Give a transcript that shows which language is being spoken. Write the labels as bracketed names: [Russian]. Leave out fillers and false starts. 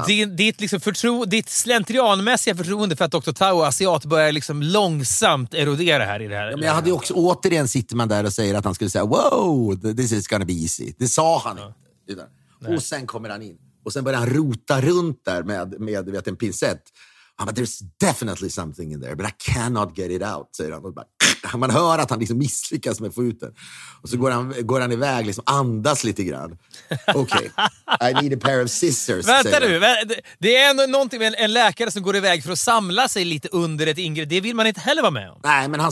[Swedish] Och ditt liksom ditt slentrianmässiga förtroende för att Dr. Tao och asiat börjar liksom långsamt erodera här i det här. Ja, men jag hade ju också, återigen sitter man där och säger att han skulle säga, [English] wow, this is gonna be easy. [Swedish] Det sa han inte. Och sen kommer han in och sen börjar han rota runt där med vet, en pincett. [English] But there's definitely something in there, but I cannot get it out, [Swedish] säger han. Bara, man hör att han liksom misslyckas med att få ut den. Och så går han iväg, liksom andas lite grann. Okej, [English] okay. I need a pair of scissors. [Swedish] Vänta nu, det är någonting med en läkare som går iväg för att samla sig lite under ett ingrepp. Det vill man inte heller vara med om. Nej, men han